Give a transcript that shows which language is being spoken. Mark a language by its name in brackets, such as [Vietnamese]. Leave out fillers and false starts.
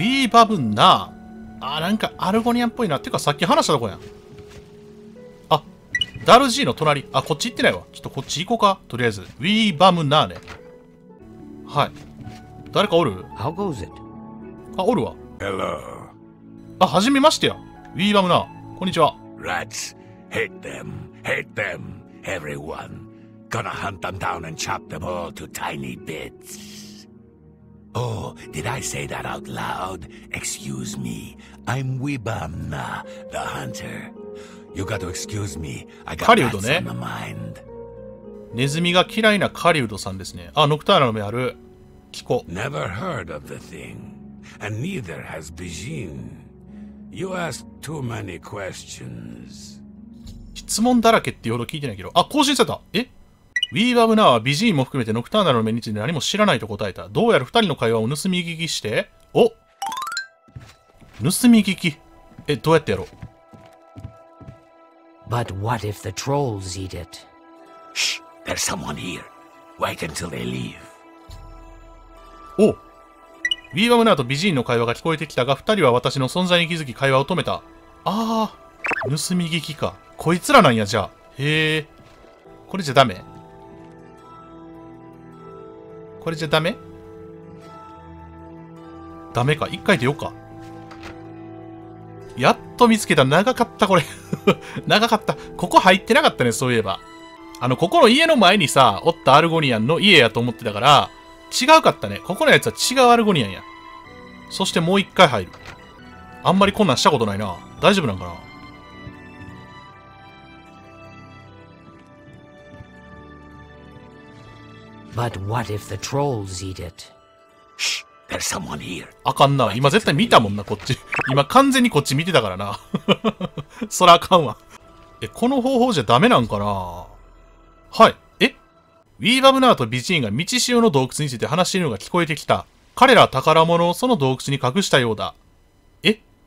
[Japanese] バブンな、あ、なんかアルゴニアンっぽいな。てかさっき話したとこやん。あ、ダルジーの隣。あ、こっち行ってないわ。ちょっとこっち行こうか。とりあえずウィーバムナーね。はい、誰かおる？ [English] How goes it? [Japanese] あ、おるわ。 [English] Hello. [Japanese] あ、はじめましてや。ウィーバムナー、こんにちは。 [English] Rats, hate them, hate them, everyone. Gonna hunt them down and chop them all to tiny bits. Oh, did I say that out loud? Excuse me. I'm Wibamna, the hunter. You got to excuse me. I got rats on my mind. [Japanese] ネズミが嫌いなカリウドさんですね。あ、ノクターナの目ある。聞こう。 [English] Never heard of the thing. And neither has Bijin. You ask too many questions. [Japanese] 質問だらけって言うほど聞いてないけど。あ、更新された。え？ウィーバムナーはビジーンも含めてノクターナルの目について何も知らないと答えた。どうやら二人の会話を盗み聞きして、お、盗み聞き、え、どうやってやろう。 [English] But what if the trolls eat it? Shh, there's someone here. Wait until they leave. [Japanese] お、ウィーバムナーとビジーンの会話が聞こえてきたが、二人は私の存在に気づき会話を止めた。あー、盗み聞きか。こいつらなんや。じゃあ、へー、これじゃダメ、これじゃダメ？ダメか。一回出ようか。やっと見つけた。長かった、これ。長かった。ここ入ってなかったね、そういえば。あの、ここの家の前にさ、おったアルゴニアンの家やと思ってたから、違うかったね。ここのやつは違うアルゴニアンや。そしてもう一回入る。あんまりこんなんしたことないな。大丈夫なんかな。 [English] But what if the trolls eat it? Shh, there's someone here. [Japanese] あかんな。今絶対見たもんな、こっち。今完全にこっち見てたからな。そらあかんわ。え、この方法じゃダメなんかな。はい。え？ウィーバブナーと美人が道潮の洞窟について話しているのが聞こえてきた。彼らは宝物をその洞窟に隠したようだ。え？